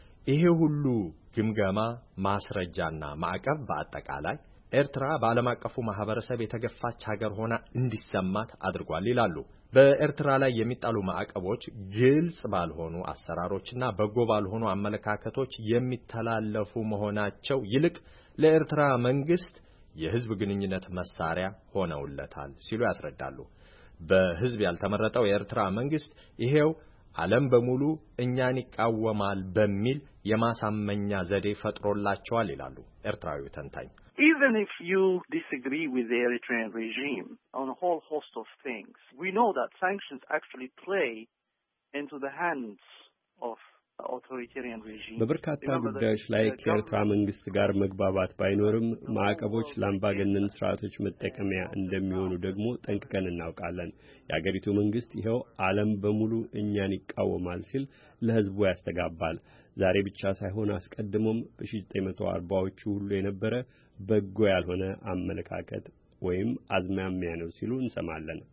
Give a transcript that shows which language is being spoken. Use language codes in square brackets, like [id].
[am] ይሄ ሁሉ ግምገማ ማስረጃና ማዕቀብ በአጠቃላይ ኤርትራ በዓለም አቀፉ ማህበረሰብ የተገፋች ሀገር ሆና እንዲሰማት አድርጓል ይላሉ። በኤርትራ ላይ የሚጣሉ ማዕቀቦች ግልጽ ባልሆኑ አሰራሮችና በጎ ባልሆኑ አመለካከቶች የሚተላለፉ መሆናቸው ይልቅ ለኤርትራ መንግስት የህዝብ ግንኙነት መሳሪያ ሆነውለታል ሲሉ ያስረዳሉ። በህዝብ ያልተመረጠው የኤርትራ መንግስት ይሄው ዓለም በሙሉ እኛን ይቃወማል በሚል የማሳመኛ ዘዴ ፈጥሮላቸዋል ይላሉ ኤርትራዊው ተንታኝ። [en] Even if you disagree with the Eritrean regime on a whole host of things, we know that sanctions actually play into the hands of authoritarian regime. [am] በበርካታ ጉዳዮች ላይ ከኤርትራ መንግስት ጋር መግባባት ባይኖርም ማዕቀቦች ለአምባገነን ስርዓቶች መጠቀሚያ እንደሚሆኑ ደግሞ ጠንቅቀን እናውቃለን። የአገሪቱ መንግስት ይኸው ዓለም በሙሉ እኛን ይቃወማል ሲል ለህዝቡ ያስተጋባል። ዛሬ ብቻ ሳይሆን አስቀድሞም በ1940ዎቹ ሁሉ የነበረ በጎ ያልሆነ አመለካከት ወይም አዝማሚያ ነው ሲሉ እንሰማለን።